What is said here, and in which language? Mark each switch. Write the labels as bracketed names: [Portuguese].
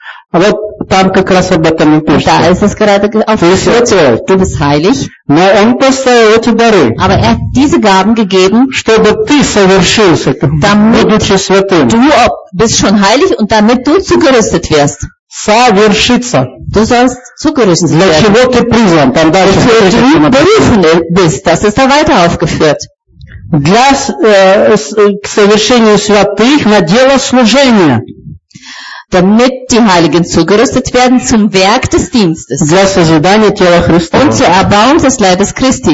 [Russian] А вот там как раз об этом и пишется. [German] Да, es ist gerade aufgeführt. Du bist heilig. [Russian] Но он поставил эти дары. [German] Aber er hat diese Gaben gegeben. [Russian] Чтобы ты совершился, будучи святым. [German] Damit du bist schon heilig und damit du zugerüstet wirst. [Russian] Совершиться. [German] Du sollst zugerüstet werden. [Russian] Для чего ты призван? Там дальше. [German] Du berufen bist. Das ist da weiter aufgeführt. [Russian] Для к совершению святых на дело служения. [German] Damit die Heiligen zugerüstet werden zum Werk des Dienstes. Und zur Erbauung des Leibes Christi.